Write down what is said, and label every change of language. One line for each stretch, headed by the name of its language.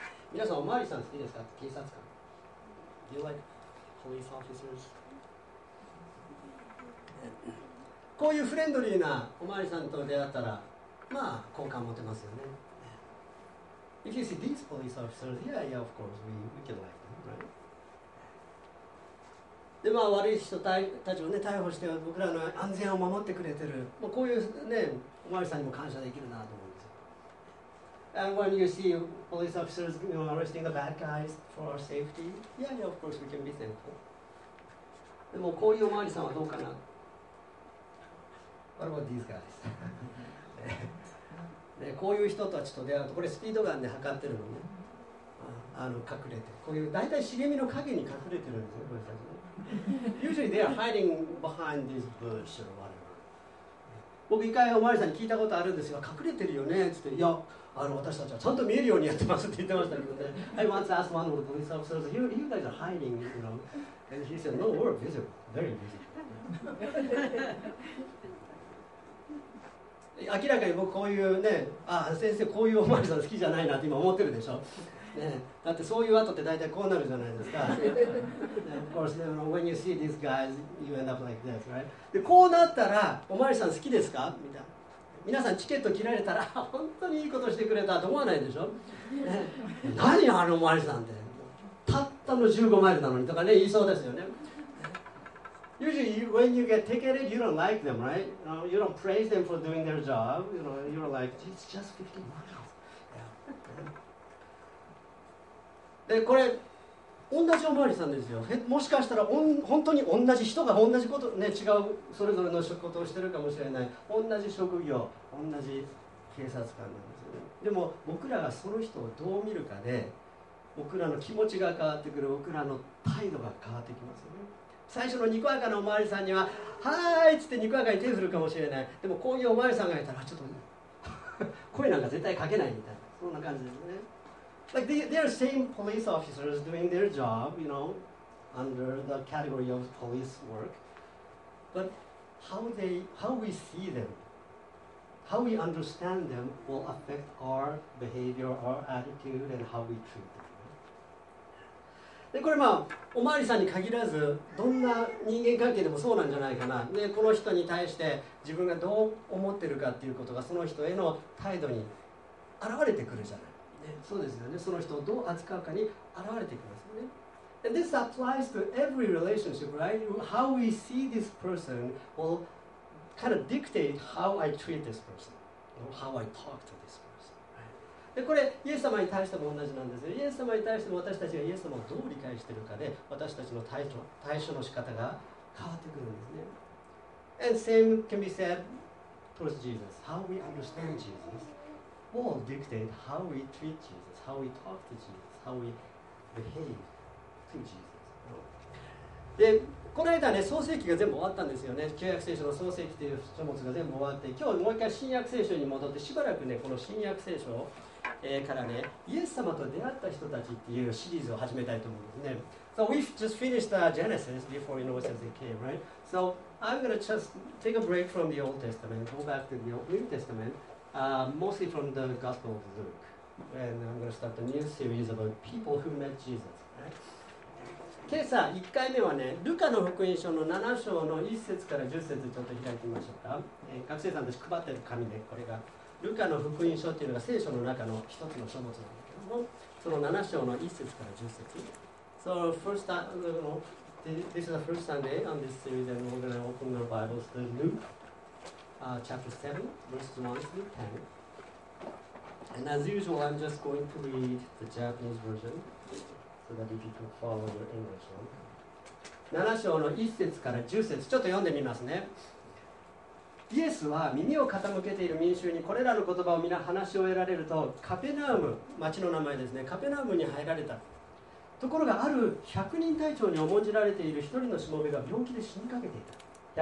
Japanese: 皆さん、おまわりさん好きですか、警察官。
English: Do you like police officers?
Japanese: こういうフレンドリーなおまわりさんと出会ったら、まあ、好感持てますよね。
English: If you see these police officers, yeah, yeah, of course, we can like them, right?
Japanese: で、まあ、悪い人たちを、ね、逮捕して、僕らの安全を守ってくれてる、まあ、こういうね、おまわりさんにも感謝できるなと思うんですよ。
English: And when you see police officers, you know, arresting the bad guys for our safety, yeah, yeah, of course, we can be thankful.
Japanese: でも、こういうおまわりさんはどうかな
English: What about these guys?
Japanese: ね、こういう人たちと出会うと、これスピードガンで測ってるのね、隠れて、こういう大体茂みの陰に隠れてるんですよ、これたちね。
English: Usually they are hiding behind this bush or whatever.
Japanese: 僕、一回おまわりさんに聞いたことあるんですが、隠れてるよねって言って、いや、私たちはちゃんと見えるようにやってますって言ってましたけどね。
English: I once asked one of the police officers, you guys are hiding, you know. And he said, no, we're visible, very visible.
Japanese: 明らかに僕こういうね、先生こういうおまわりさん好きじゃないなって今思ってるでしょ、ね、だってそういう後って大体こうなるじゃないですか。
English: Of course, you know, when you see these guys, you end up like this, right?
Japanese: で、こうなったら、おまわりさん好きですかみたいな。皆さんチケット切られたら、本当にいいことしてくれたと思わないでしょ、ね、何あのおまわりさんって。たったの15マイルなのにとかね、言いそうですよね。
English: Usually, when you get ticketed, you don't like them, right? You know, you don't praise them for doing their job. You know, you're like, it's just 50 miles. Yeah.
Japanese: で、これ、同じおまわりさんですよ。もしかしたら、本当に同じ人が同じこと、ね、違う、それぞれの仕事をしてるかもしれない。同じ職業、同じ警察官なんですよね。でも、僕らがその人をどう見るかで、僕らの気持ちが変わってくる、僕らの態度が変わってきますよね。最初のにこやかなおまわりさんには、はーいっつってにこやかに手を振るかもしれない。でもこういうおまわりさんがいたら、ちょっと声なんか絶対かけないみたいな。そんな感じですね。
English: Like, they are the same police officers doing their job, you know, under the category of police work. But how we see them, how we understand them will affect our behavior, our attitude, and how we treat them.
Japanese: でこれ、まあ、おまわりさんに限らずどんな人間関係でもそうなんじゃないかな。でこの人に対して自分がどう思ってるかっていうことがその人への態度に現れてくるじゃない、ね、そうですよね。その人をどう扱うかに現れてきますよね。
English: And this applies to every relationship, right? How we see this person will kind of dictate how I treat this person, how I talk to this person.
Japanese: でこれイエス様に対しても同じなんですよ。イエス様に対しても私たちがイエス様をどう理解しているかで私たちの対処の仕方が変わってくるんですね。
English: And same can be said towards Jesus. How we understand Jesus will dictate how we treat Jesus, how we talk to Jesus, how we behave to Jesus.
Japanese: でこの間ね、創世記が全部終わったんですよね。旧約聖書の創世記という書物が全部終わって、今日もう一回新約聖書に戻ってしばらくね、この新約聖書をからね、イエス様と出会った人たちっていうシリーズを始めたいと思うんですね。
English: So we've just finished the Genesis before you know it came, right? So I'm going to just take a break from the Old Testament, go back to the New Testament, mostly from the Gospel of Luke. And I'm going to start a new series about people who met Jesus, right?
Japanese: 今朝1回目はね、ルカの福音書の7章の1節から10節ちょっと開いてみましょうか。学生さんたち配ってる紙で、これがルカの福音書というのが聖書の中の一つの書物なんだけども、その7章の1節から10節。
English: So, first, this is the first Sunday on this series, and we're going to open our Bibles to Luke, chapter 7, verses 1 through 10. And as usual, I'm just going to read the Japanese version, so that if you can follow your English one.
Japanese: 7章の1節から10節、ちょっと読んでみますね。イエスは耳を傾けている民衆にこれらの言葉を皆話し終えられるとカペナウム、町の名前ですね、カペナウムに入られた。ところがある百人隊長に重んじられている一人のしもべが病気で死にかけていた。